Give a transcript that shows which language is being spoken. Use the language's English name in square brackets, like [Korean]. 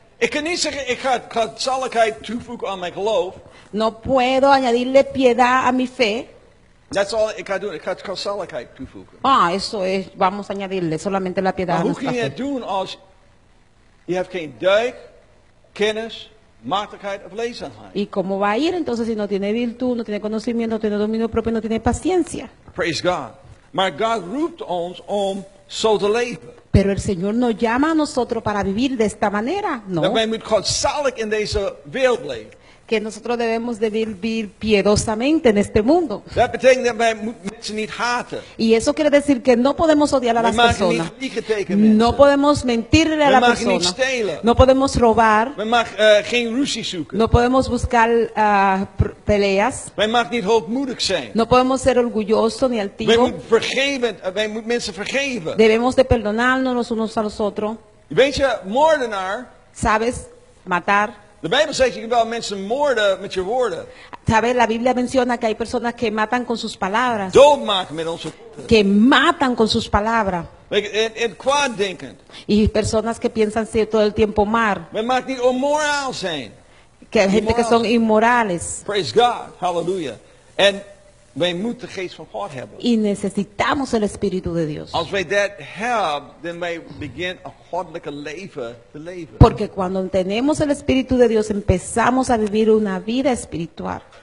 [Dutch] Ik kan niet zeggen ik ga godzaligheid toevoegen aan mijn geloof. [Spanish] No puedo añadirle piedad a mi fe. [English] That's all [Dutch] ik ga doen. Ik ga godzaligheid toevoegen. [Spanish] Ah, eso es. Vamos a añadirle solamente la piedad. [Dutch] Maar hoe kun je het doen als je hebt geen duik, kennis, matigheid of leefzaamheid? [Spanish] Y cómo va a ir entonces si no tiene virtud, no tiene conocimiento, no tiene dominio propio, no tiene paciencia. [English] Praise God. [Dutch] Maar God roept ons om zo te leven. [Spanish] Pero el Señor nos llama a nosotros para vivir de esta manera, ¿no? [Dutch] Dat wij moeten godzalig in deze wereld leven. [Spanish] Que nosotros debemos de vivir piedosamente en este mundo. [Dutch] Dat betekent dat wij mensen niet haten. [Spanish] Y eso quiere decir que no podemos odiar a las personas. [Dutch] We mogen niet liegen tegen mensen. [Spanish] No podemos mentirle a la persona. [Dutch] We mogen niet stelen. [Spanish] No podemos robar. [Dutch] We mogen geen ruzie zoeken. [Spanish] No podemos buscar peleas. [Dutch] We mogen niet hoogmoedig zijn. [Spanish] No podemos ser orgulloso ni altivo. [Dutch] Wij moeten mensen vergeven. [Spanish] Debemos de perdonarnos los unos a los otros. [Dutch] Weet je, moordenaar. [Spanish] Sabes, matar. [Dutch] De Bijbel zegt je kunt wel mensen moorden met je woorden. [Spanish] Sabes, la Biblia menciona que hay personas que matan con sus palabras. [Dutch] Dood maken met onze woorden. [Spanish] Que matan con sus palabras. [Dutch] En kwaad denken. [Spanish] Y personas que piensan ser todo el tiempo mal. [Dutch] We mag niet onmoraal zijn. [Spanish] Que hay gente que son inmorales. [English] Praise God, hallelujah. [Dutch] En wij moeten de geest van God hebben. [Spanish] Y necesitamos el Espíritu de Dios. [Dutch] Als wij dat hebben, dan wij beginnen een goddelijke leven te leven. [Spanish] Porque cuando tenemos el Espíritu de Dios, empezamos a vivir una vida espiritual.